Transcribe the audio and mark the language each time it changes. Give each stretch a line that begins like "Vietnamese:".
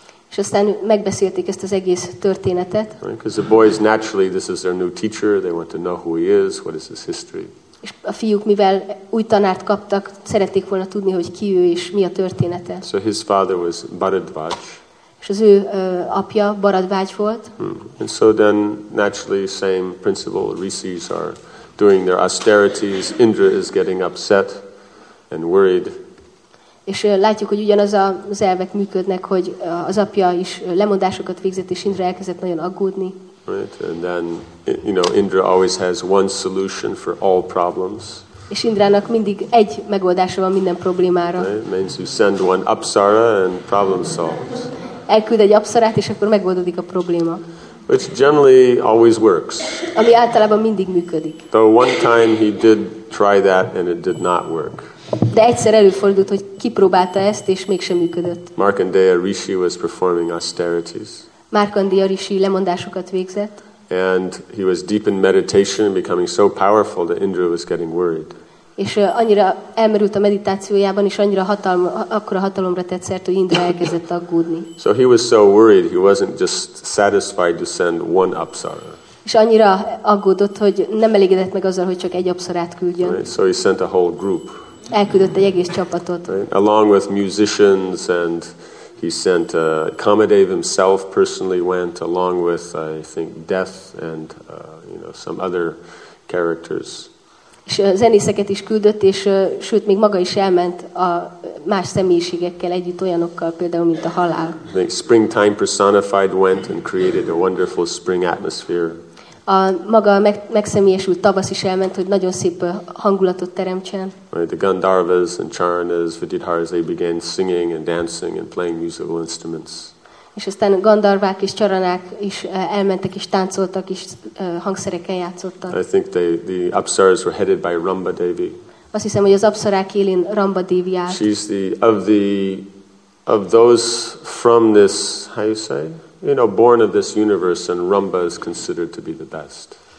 Hungarian: És aztán megbeszélték ezt az egész történetet.
English: Right? Because the boys, naturally, this is their new teacher. They want to know who he is, what is his history.
Hungarian: És a fiúk, mivel új tanárt kaptak, szerették volna tudni, hogy ki ő és mi a története.
English: So his father was Bharadvaj.
Hungarian: És az ő apja Bharadvaj volt.
English: And so then, naturally, same principle, Rishis are doing their austerities, Indra is getting upset and worried.
Hungarian: És látjuk, hogy ugyanaz az elvek működnek, hogy az apja is lemondásokat végzett, és Indra elkezdett nagyon aggódni.
English: Right, and then, you know, Indra always has one solution for all problems.
Hungarian: És Indrának mindig egy megoldása van minden problémára.
English: Right, means you send one apsara and problem solves.
Hungarian: Elküld egy apsarát, és akkor megoldódik a probléma.
English: Which generally always works.
Hungarian: Ami általában mindig működik.
English: Though one time he did try that and it did not work.
Hungarian: De egyszer előfordult, hogy kipróbálta ezt és mégsem működött.
English: Markandeya Rishi was performing austerities.
Hungarian: Markandeya Rishi lemondásokat végzett.
English: And he was deep in meditation and becoming so powerful that Indra was getting worried.
Hungarian: És annyira elmerült a meditációjában, és annyira akkora hatalomra tett szert, hogy Indra elkezdett aggódni.
English: So he was so worried, he wasn't just satisfied to send one apsara.
Hungarian: És annyira aggódott, hogy nem elégedett meg azzal, hogy csak egy apsarát küldjön.
English: Right, so he sent a whole group.
Hungarian: Elküldött egy egész csapatot.
English: Right, along with musicians, and he sent Kamadev himself personally went, along with, I think, Death and you know, some other characters.
Hungarian: És zenészeket is küldött, és sőt, még maga is elment a más személyiségekkel együtt olyanokkal, például mint a halál.
English: The springtime personified went and created a wonderful spring atmosphere.
Hungarian: A maga megszemélyesült tavasz is elment, hogy nagyon szép hangulatot teremtsen.
English: The Gandharvas and Charanas, Vidhidharas, they began singing and dancing and playing musical instruments.
Hungarian: És aztán Gandharvák és Charanák is elmentek és táncoltak és hangszereken játszottak.
English: I think the apsaras were headed by Rumba Devi.
Hungarian: Azt hiszem, hogy az apsarák élén Rumba Devi állt.
English: She's the of those from this, how you say? You know, born of this universe, and Rumba is considered to be the best.